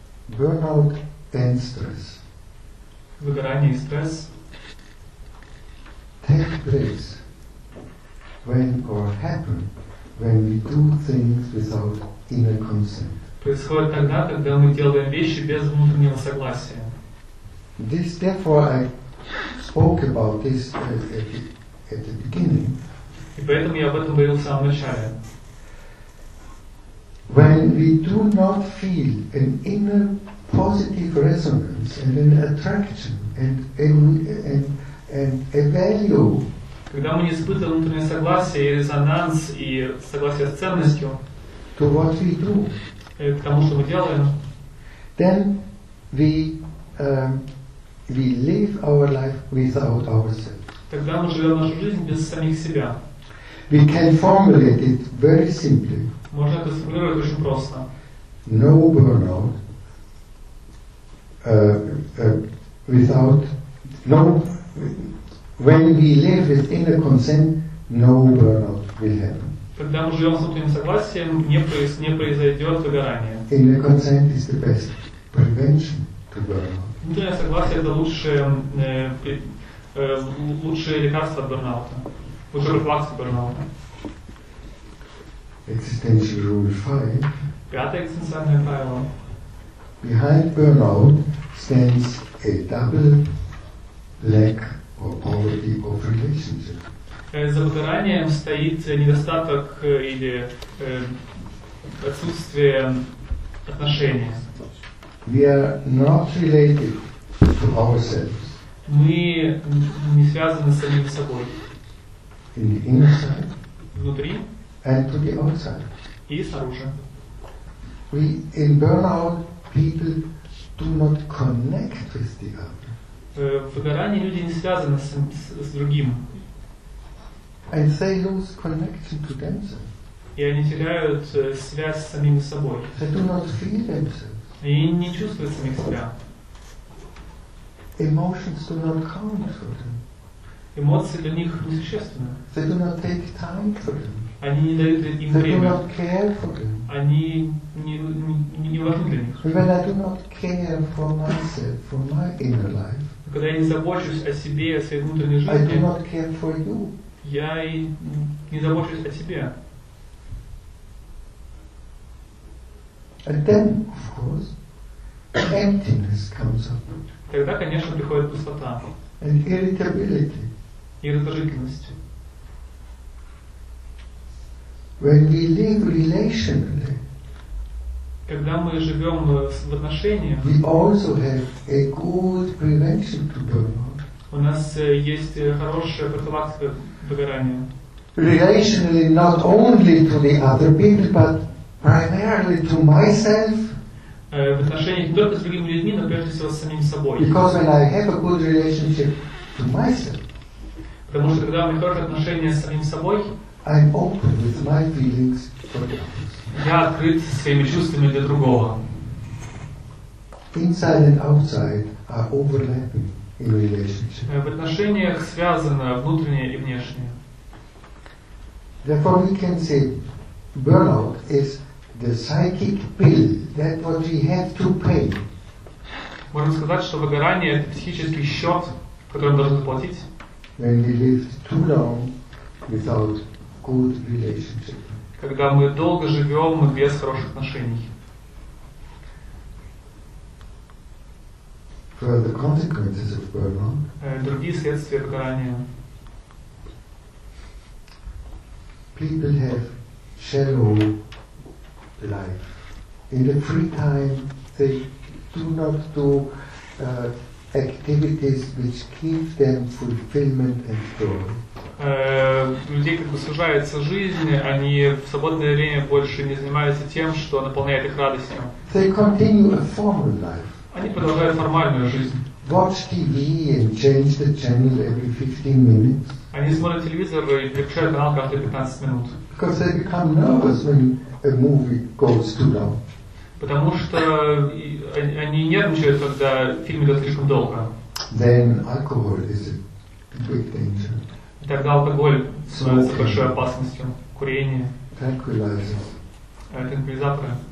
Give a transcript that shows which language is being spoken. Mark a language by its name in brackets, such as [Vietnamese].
[English] Burnout and stress. [Russian] Выгорание и стресс. [English] Take breaks when or happen when we do things without inner consent. [Russian] Происходит тогда, когда мы делаем вещи без внутреннего согласия. [English] This, therefore, I spoke about this at the beginning. [Russian] И поэтому я об этом говорил в самом начале. [English] When we do not feel an inner positive resonance and an attraction and a value, [Russian] когда мы не испытываем внутреннее согласие и резонанс и согласие с ценностью, [English] to what we do, [Russian] к тому, что мы делаем, [English] then we live our life without ourselves. [Russian] Тогда мы живем нашу жизнь без самих себя. [English] We can formulate it very simply. [Russian] Можно это сформулировать очень просто. [English] No burnout without no. When we live with inner consent, no burnout will happen. [Russian] Когда мы живем с внутренним согласием, не произойдет выгорание. [English] Inner consent is the best prevention to burnout. [Russian] Внутреннее согласие — это лучшее лекарство от бурнаута. Уже профилактика бурнаута. [English] Existential rule 5. [Russian] Пятое экзистенциальное правило. [English] Behind burnout stands a double lack or poverty of relationship. [Russian] за выгоранием стоит недостаток или отсутствие отношений. [English] We are not related to ourselves. [Russian] Мы не связаны с самим собой. [English] In the inside. [Russian] Внутри. [English] And to the outside. [Russian] И снаружи. [English] We in burnout people do not connect with the other. [Russian] В выгорании люди не связаны с другим. [English] And they lose connection to themselves. [Russian] И они теряют связь с самим собой. [English] They do not feel themselves. [Russian] И не чувствуют самих себя. [English] Emotions do not count for them. [Russian] Эмоции для них несущественны. [English] They do not take time for them. [Russian] Они не дают им [English] they [Russian] время. [English] Do not care for them. [Russian] Они не важны для них. [English] When I do not care for myself, for my inner life, [Russian] когда я не забочусь о себе, о своей внутренней жизни, [English] I do not care for you. [Russian] Я и не забочусь о себе. [English] And then, of course, emptiness comes up. [Russian] Тогда, конечно, приходит пустота. [English] And irritability. [Russian] И раздражительность. [English] When we live relationally. [Russian] Когда мы живем в отношениях. [English] We also have a good prevention to burnout. [Russian] У нас есть хорошая профилактика выгорания. [English] Relationally, not only to the other people, but primarily to myself. [Russian] В отношениях не только с другими людьми, но прежде всего с самим собой. [English] Because when I have a good relationship to myself, [Russian] потому что когда у меня хорошие отношения с самим собой, [English] I'm open with my feelings for the others. [Russian] Я открыт своими чувствами для другого. [English] Inside and outside are overlapping in relationship. [Russian] В отношениях связано внутреннее и внешнее. [English] Therefore, we can say burnout is the psychic bill that what we have to pay. [Russian] Можно сказать, что выгорание это психический счет, который должен заплатить. [English] When we live too long without good relationship. [Russian] Когда мы долго живем без хороших отношений. [English] Further consequences of burnout. [Russian] Другие следствия выгорания. [English] People have shallow life. In the free time, they do not do activities which give them fulfillment and joy. [Russian] Людей как бы сужается жизнь, они в свободное время больше не занимаются тем, что наполняет их радостью. [English] They continue a formal life. [Russian] Они продолжают формальную жизнь. [English] Watch TV and change the channel every 15 minutes. [Russian] Они смотрят телевизор и переключают канал каждые 15 минут. [English] Because they become nervous when a movie goes too long. [Russian] Потому что они нервничают, когда фильм идет слишком долго. [English] Then alcohol is a big danger. [Russian] Тогда алкоголь становится большой опасностью. Курение. [English] Tranquilizers. [Russian] Транквилизаторы.